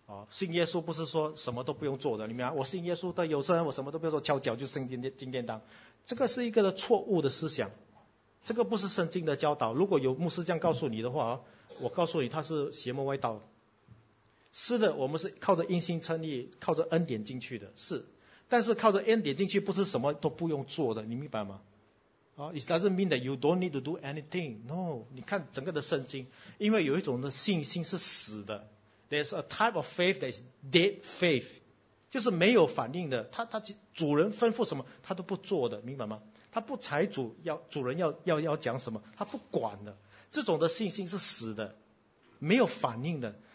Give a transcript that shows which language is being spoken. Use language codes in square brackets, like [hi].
[zh] 信耶稣不是说什么都不用做的，你明白，我信耶稣的有生，我什么都不用做，敲脚就升金殿堂，这个是一个的错误的思想，这个不是圣经的教导。如果有牧师这样告诉你的话，我告诉你他是邪魔歪道。是的，我们是靠着因信称义，靠着恩典进去的，是，但是靠着恩典进去不是什么都不用做的，你明白吗？ [en] It doesn't mean that you don't need to do anything. [zh] No, 你看整个的圣经，因为有一种的信心是死的， [en] There's a type of faith that is dead faith, [zh] 就是没有反应的，他主人吩咐什么他都不做的，明白吗？他不采主要主人要讲什么他不管的，这种的信心是死的，没有反应的。